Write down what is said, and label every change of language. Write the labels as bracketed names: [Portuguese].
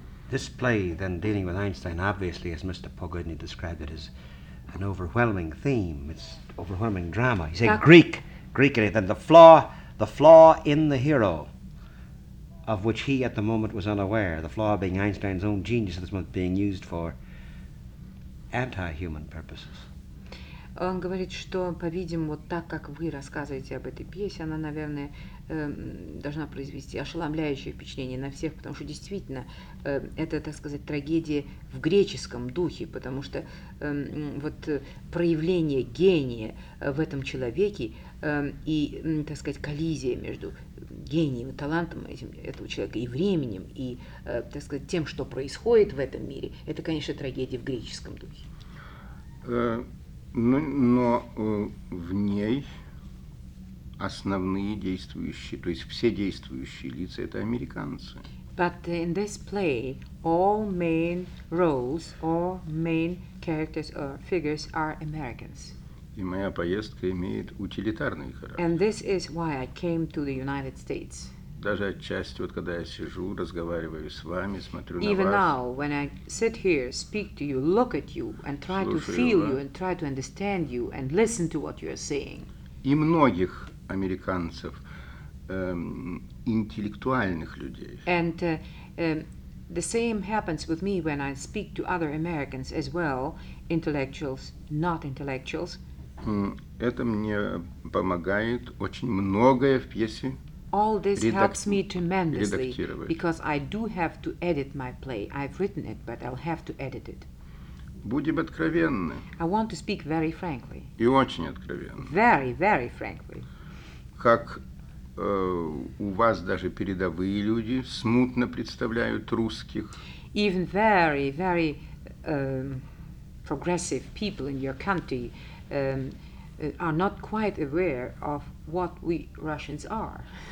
[English] This play, then, dealing with Einstein, obviously, as Mr. Pogodny described it, is an overwhelming theme. It's overwhelming drama. He said Greek in it. Then the flaw in the hero, of which he at the moment was unaware, the flaw being Einstein's own genius at this moment being used for anti-human purposes. [Russian] Он говорит, что, по-видимому, так как вы рассказываете об этой пьесе, она, наверное, должна произвести ошеломляющее впечатление на всех, потому что действительно это, так сказать, трагедия в греческом духе, потому что вот проявление гения в этом человеке и, так сказать, коллизия между гением и талантом этого человека и временем, и, так сказать, тем, что происходит в этом мире, это, конечно, трагедия в греческом духе. Но в ней основные действующие, то есть все действующие лица – это американцы. [English] But in this play, all main roles, all main characters or figures are Americans. [Russian] И моя поездка имеет утилитарный характер. [English] And this is why I came to the United States. [Russian] Даже отчасти, вот когда я сижу, разговариваю с вами, смотрю на вас. [English] Even now, when I sit here, speak to you, look at you, and try to feel you, and try to understand you, and listen to what you are saying. [Russian] И многих американцев, интеллектуальных людей. [English] And the same happens with me when I speak to other Americans as well, intellectuals, not intellectuals. [Russian] Это мне помогает очень многое в пьесе. [English] All this helps me tremendously because I do have to edit my play. I've written it, but I'll have to edit it. [Russian] Будем откровенны. [English] I want to speak very frankly. [Russian] И очень откровенно. [English] Very, very frankly. [Russian] Как у вас даже передовые люди смутно представляют русских. [English] Even very, very progressive people in your country are not quite aware of what we Russians are.